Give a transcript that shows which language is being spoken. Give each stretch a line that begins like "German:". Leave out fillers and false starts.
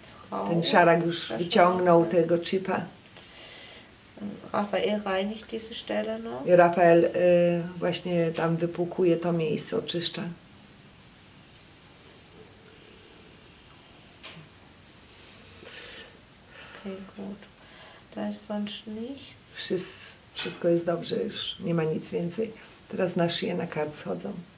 Polish: Ten szarak już wyciągnął tego chipa.
German: Rafael reinigt diese Stelle noch.
Polish: I Rafael właśnie tam wypłukuje to miejsce, oczyszcza.
German: Okay, gut. Da ist sonst nichts.
Polish: Wszystko jest dobrze już, nie ma nic więcej. Teraz na szyję, na kark schodzą.